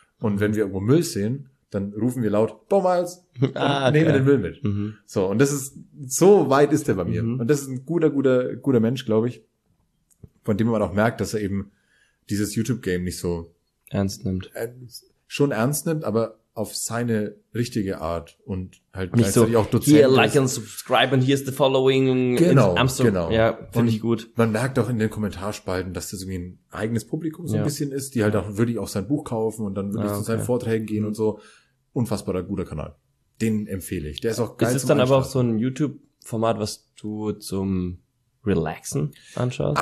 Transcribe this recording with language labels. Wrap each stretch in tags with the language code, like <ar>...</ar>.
<de>Und wenn wir irgendwo Müll sehen, dann rufen wir laut, Bommals, nehmen den Müll mit. Mhm. So, und das ist, so weit ist der bei mir. Mhm. Und das ist ein guter Mensch, glaube ich, von dem man auch merkt, dass er eben dieses YouTube-Game nicht so ernst nimmt. Schon ernst nimmt, aber auf seine richtige Art und halt nicht gleichzeitig so, auch Dozent.</de> <en>Hier, like and subscribe and here's the following.</en> <de>Genau, in Amsterdam. Genau. Ja, finde ich gut. Man merkt auch in den Kommentarspalten, dass das irgendwie ein eigenes Publikum so ein bisschen ist, die halt auch wirklich auch sein Buch kaufen und dann wirklich zu seinen Vorträgen gehen und so. Unfassbarer guter Kanal. Den empfehle ich. Der ist auch geil. Ist es dann aber auch so ein YouTube-Format, was du zum Relaxen anschaust?</de>